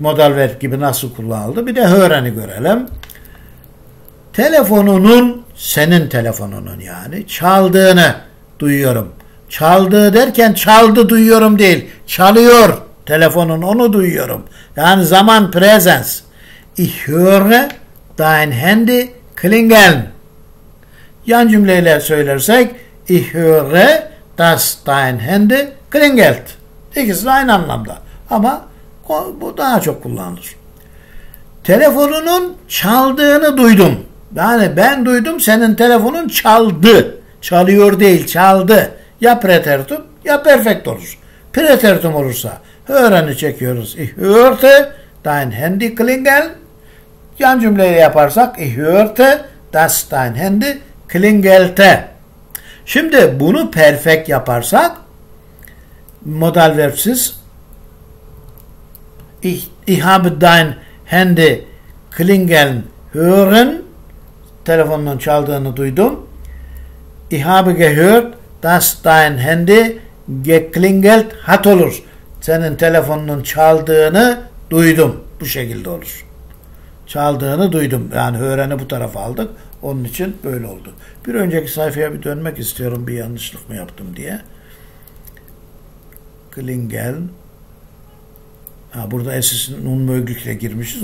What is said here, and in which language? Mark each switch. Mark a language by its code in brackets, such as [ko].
[tr] Modal verb gibi nasıl kullanıldı. Bir de Hören'i görelim. Telefonunun, senin telefonunun yani çaldığını duyuyorum. Çaldığı derken çaldı duyuyorum değil. Çalıyor telefonun, onu duyuyorum. Yani zaman presens. [de] Ich höre dein Handy klingeln. [tr] Yan cümleyle söylersek [de] ich höre das dein Handy klingelt. [tr] İkisi de aynı anlamda. Ama bu daha çok kullanılır. Telefonunun çaldığını duydum. Yani ben duydum, senin telefonun çaldı. Çalıyor değil, çaldı. Ya pretertum ya perfect olur. Pretertum olursa öğreni çekiyoruz. [de] Ich hörte dein Handy klingeln. [tr] Yan cümleyle yaparsak [de] ich hörte das dein Handy klingelte. [tr] Şimdi bunu perfect yaparsak modal verbsiz [de] ich habe dein Handy klingeln hören. [tr] Telefonunun çaldığını duydum. [de] Ich habe gehört dass dein Handy geklingelt hat [tr] olur. Senin telefonunun çaldığını duydum. Bu şekilde olur. Çaldığını duydum. Yani öğreni bu tarafa aldık. Onun için böyle oldu. Bir önceki sayfaya bir dönmek istiyorum. Bir yanlışlık mı yaptım diye. Klingeln. Ha, burada esisin unmöglükle girmişiz.